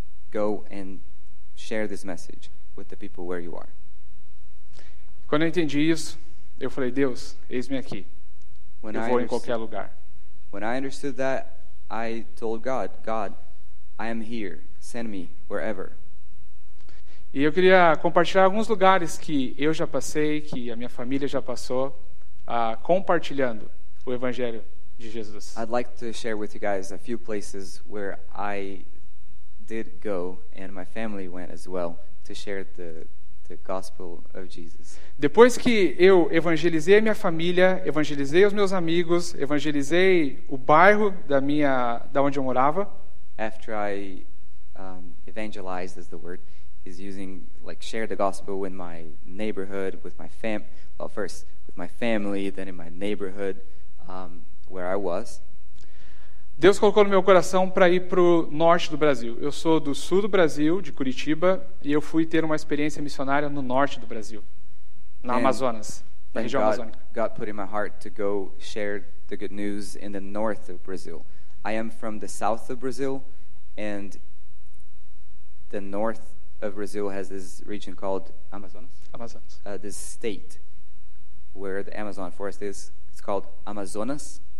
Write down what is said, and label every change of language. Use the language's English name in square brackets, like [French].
[English] Go and share this message with the people where you are. [Portuguese] Quando eu entendi isso, eu falei, Deus, eis-me aqui. [English] When [Portuguese] eu vou em qualquer lugar. [English] When I understood that, I told God, God, I am here. Send me wherever. [Portuguese] E eu queria compartilhar alguns lugares que eu já passei, que a minha família já passou, compartilhando o evangelho de Jesus. [English] I'd like to share with you guys a few places where I did go and my family went as well to share the gospel of Jesus. [Portuguese] Depois que eu evangelizei a minha família, evangelizei os meus amigos, evangelizei o bairro da onde eu morava. [English] After I evangelized, is the word, is using like share the gospel in my neighborhood with my family, then in my neighborhood, where I was. [Portuguese] Deus colocou no meu coração para ir para o norte do Brasil. Eu sou do sul do Brasil, de Curitiba, e eu fui ter uma experiência missionária no norte do Brasil, na Amazonas, na região amazônica. [English] God put in my heart to go share the good news in the north of Brazil. I am from the south of Brazil, and the north of Brazil has this region called Amazonas. Amazonas. This state where the Amazon forest is, it's called Amazonas.